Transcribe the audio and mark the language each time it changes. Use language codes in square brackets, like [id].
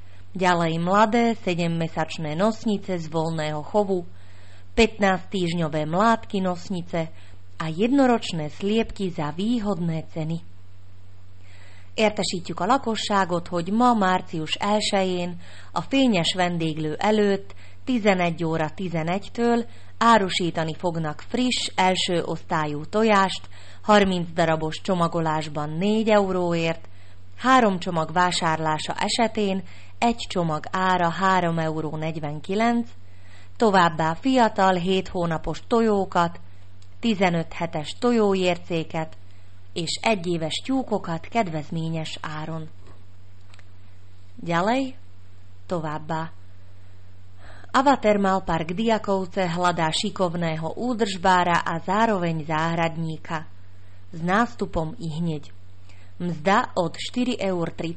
[sk] Ďalej mladé 7-mesačné nosnice z voľného chovu, 15-týždňové mládky nosnice a jednoročné sliepky za výhodné ceny. [hu] Értesítjük a lakosságot, hogy ma, március 1-én, a Fényes vendéglő előtt 11 óra 11-től árusítani fognak friss, első osztályú tojást 30 darabos csomagolásban 4 euróért, 3 csomag vásárlása esetén 1 csomag ára 3,49 euró, továbbá fiatal 7 hónapos tojókat, 15 hetes tojóércéket, és egyéves tyúkokat kedvezményes áron. [sk] Ďalej, [hu] továbbá. [sk] Avatermal Park Diakovce hľadá šikovného údržbára a zároveň záhradníka. S nástupom ihneď. Mzda od 4,31 eur.